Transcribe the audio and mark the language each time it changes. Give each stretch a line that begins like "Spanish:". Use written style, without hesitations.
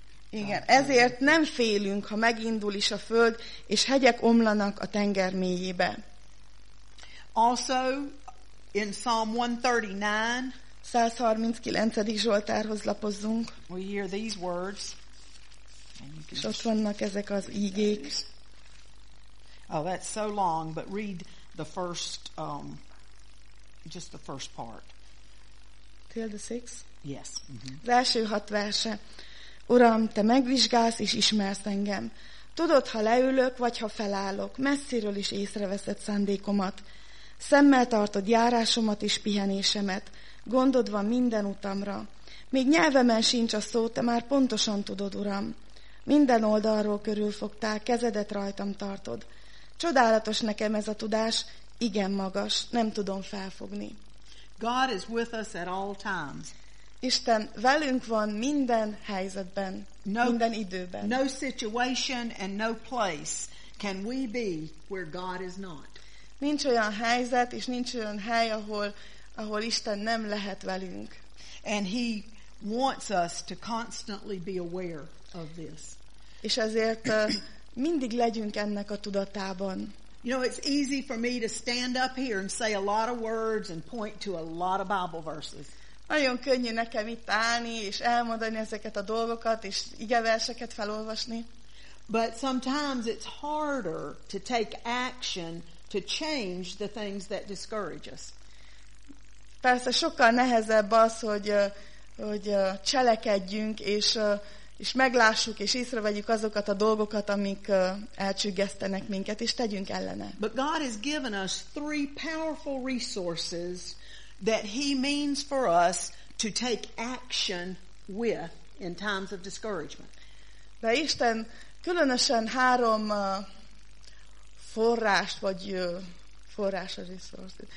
Hungarian: Igen, ezért nem félünk, ha megindul is a föld, és hegyek omlanak a tenger mélyébe.
English: Also in Psalm 139,
Hungarian: 139. Zsoltárhoz lapozzunk.
English: We hear these words.
Hungarian: És ott vannak ezek az ígék.
English: Oh, that's so long, but read the first, just the first part. Till the six? Yes.
Hungarian: Mm-hmm. Az első hat verse. Uram, te megvizsgálsz és ismersz engem. Tudod, ha leülök, vagy ha felállok, messziről is észreveszed szándékomat. Szemmel tartod járásomat és pihenésemet. Gondod van minden utamra. Még nyelvemen sincs a szó, te már pontosan tudod, Uram. Minden oldalról körülfogtál, kezedet rajtam tartod. Csodálatos nekem ez a tudás, igen magas, nem tudom felfogni.
English: God is with us at all times.
Hungarian: Isten velünk van minden helyzetben, no, minden időben.
English: No situation and no place can we be where God is not.
Hungarian: Nincs olyan helyzet és nincs olyan hely, ahol Isten nem lehet velünk.
English: And he wants us to constantly be aware of this.
Hungarian: És ezért mindig legyünk ennek a tudatában.
English: You know, it's easy for me to stand up here and say a lot of words and point to a lot of Bible verses.
Hungarian: Nagyon könnyű nekem itt állni és elmondani ezeket a dolgokat és igeverseket felolvasni.
English: But sometimes it's harder to take action to change the things that discourage us.
Hungarian: Persze sokkal nehezebb az, hogy cselekedjünk és meglássuk és észrevegyük azokat a dolgokat, amik elcsüggesztenek minket, és tegyünk ellene.
English: But God has given us three powerful resources that he means for us to take action with in times of discouragement.
Hungarian: De Isten különösen három forrást vagy forrás a resource.